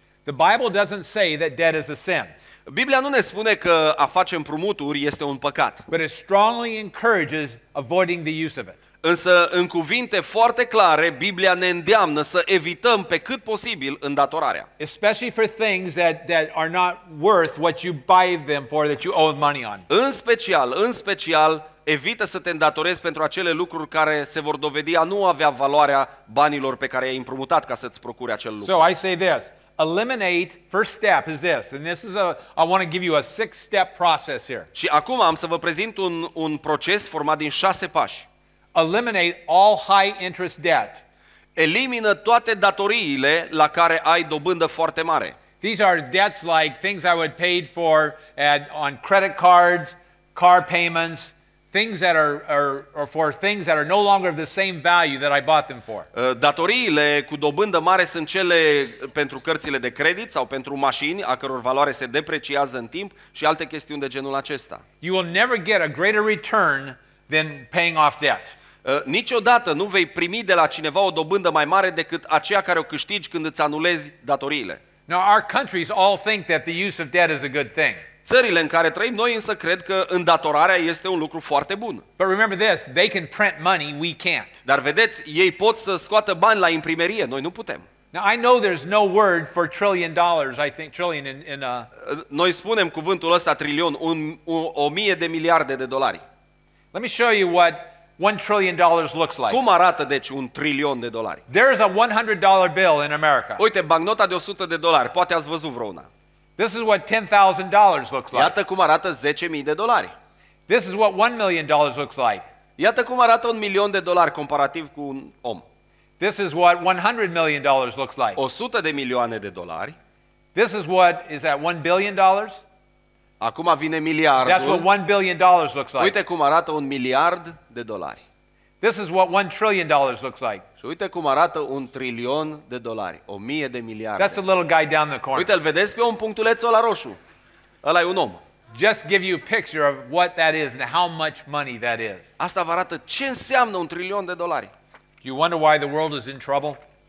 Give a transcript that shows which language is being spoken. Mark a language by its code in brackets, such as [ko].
[en] The Bible doesn't say that debt is a sin. [ro] Biblia nu ne spune că a face împrumuturi este un păcat. [en] But it strongly encourages avoiding the use of it. [ro] Însă în cuvinte foarte clare, Biblia ne îndeamnă să evităm pe cât posibil îndatorarea. [en] Especially for things that are not worth what you buy them for, that you owe money on. [ro] În special, evită să te îndatorezi pentru acele lucruri care se vor dovedi a nu avea valoarea banilor pe care i-ai împrumutat ca să-ți procuri acel lucru. [en] So I say this, eliminate, first step is this, and this is I want to give you a 6-step process here. [ro] Și acum am să vă prezint un proces format din 6 pași. [en] Eliminate all high interest debt. [ro] Elimină toate datoriile la care ai dobândă foarte mare. [en] These are debts like things I would paid for on credit cards, car payments, things that are for things that are no longer of the same value that I bought them for. [ro] Datoriile cu dobândă mare sunt cele pentru cărțile de credit sau pentru mașini a căror valoare se depreciază în timp și alte chestiuni de genul acesta. [en] You will never get a greater return than paying off debt. [ro] Niciodată nu vei primi de la cineva o dobândă mai mare decât aceea care o câștigi când îți anulezi datoriile. [en] Now our countries all think that the use of debt is a good thing. [ro] Țările în care trăim noi însă cred că îndatorarea este un lucru foarte bun. [en] But remember this, they can print money, we can't. [ro] Dar vedeți, ei pot să scoată bani la imprimerie, noi nu putem. [en] Now I know there's no word for $1 trillion, I think trillion in [ro] noi spunem cuvântul ăsta trilion, o mie de miliarde de dolari. [en] Let me show you what $1 trillion looks like. [ro] Cum arată deci un trilion de dolari? [en] There is a $100 bill in America. [ro] Uite, bancnota de $100, poate ați văzut vreuna. [en] This is what $10,000 looks like. [ro] Iată cum arată 10.000 de dolari. [en] This is what $1 million looks like. [ro] Iată cum arată $1 million comparativ cu un om. [en] This is what $100 million looks like. [ro] 100 de milioane de dolari. [en] This is what is at $1 billion. [ro] Acum vine miliardul. [en] That's what $1 billion looks like. [ro] Uite cum arată $1 miliard. [en] This is what $1 trillion looks like. [ro] Și uite cum arată $1 trillion, 1.000 de miliarde. [en] That's the little guy down the corner. [ro] Uite, îl vedeți pe un punctulețul ăla roșu? Ăla e un om. [en] Just give you a picture of what that is and how much money that is. [ro] Asta vă arată ce înseamnă $1 trillion. [en] You wonder why the world is in trouble?